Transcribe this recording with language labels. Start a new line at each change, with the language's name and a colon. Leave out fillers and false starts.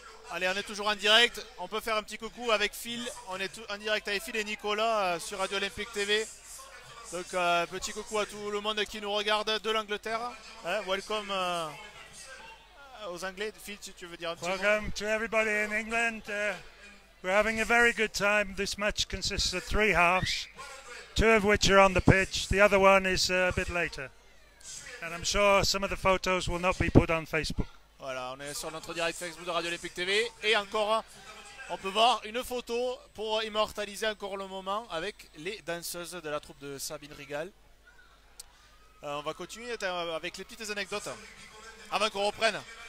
French: Allez, on est toujours en direct. On peut faire un petit coucou avec Phil. On est en direct avec Phil et Nicolas sur Radio Olympique TV. Donc, petit coucou à tout le monde qui nous regarde de l'Angleterre. Hein, welcome. Aux Anglais, Phil, tu veux dire un petit mot?
English: Welcome to everybody in England. We're having a very good time. This match consists of three halves, two of which are on the pitch. The other one is a bit later. And I'm sure some of the photos will not be put on Facebook.
French: Voilà, on est sur notre direct Facebook de Radio Olympique TV. Et encore, on peut voir une photo pour immortaliser encore le moment avec les danseuses de la troupe de Sabine Rigal. On va continuer avec les petites anecdotes avant qu'on reprenne.